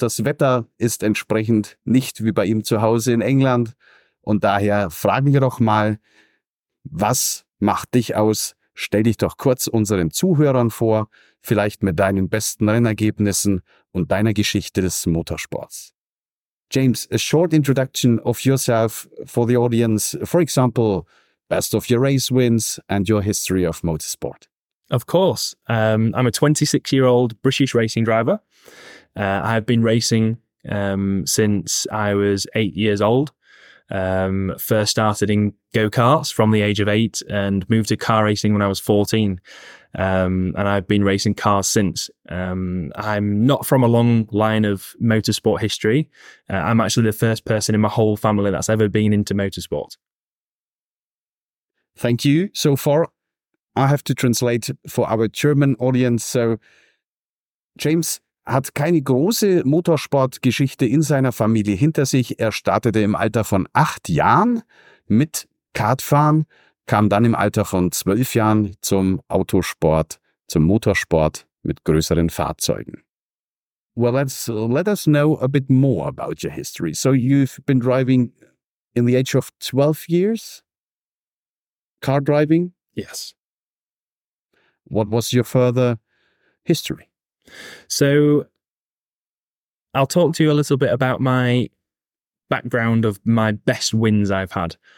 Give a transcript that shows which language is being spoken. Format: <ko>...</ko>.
<de>Das Wetter ist entsprechend nicht wie bei ihm zu Hause in England. Und daher fragen wir doch mal, was macht dich aus? Stell dich doch kurz unseren Zuhörern vor, vielleicht mit deinen besten Rennergebnissen und deiner Geschichte des Motorsports.</de> <en>James, a short introduction of yourself for the audience. For example, best of your race wins and your history of motorsport. Of course. I'm a 26-year-old British racing driver. I've been racing since I was 8 years old. First started in go-karts from the age of 8 and moved to car racing when I was 14. And I've been racing cars since. I'm not from a long line of motorsport history. I'm actually the first person in my whole family that's ever been into motorsport. Thank you. So far, I have to translate for our German audience.</en> <de>So James hat keine große Motorsportgeschichte in seiner Familie hinter sich. Er startete im Alter von 8 Jahren mit Kartfahren, kam dann im Alter von 12 Jahren zum Autosport, zum Motorsport mit größeren Fahrzeugen.</de> <en>Well, let us know a bit more about your history. So you've been driving in the age of 12 years? Car driving? Yes. What was your further history? So I'll talk to you a little bit about my background of my best wins I've had.</en>